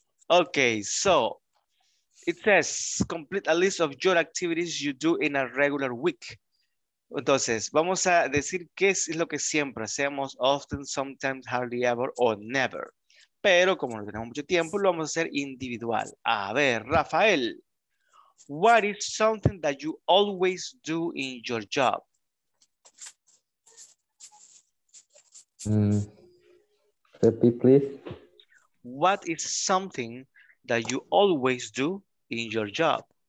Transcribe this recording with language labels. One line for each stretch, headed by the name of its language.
English: Okay, so it says complete a list of your activities you do in a regular week.
Spanish: Entonces, vamos a decir qué es lo que siempre hacemos,
English: often, sometimes, hardly ever, or never.
Spanish: Pero como no tenemos mucho tiempo, lo vamos a hacer individual. A ver,
English: Rafael, what is something that you always do in your job? Repeat, please. What is something that you always do in your job?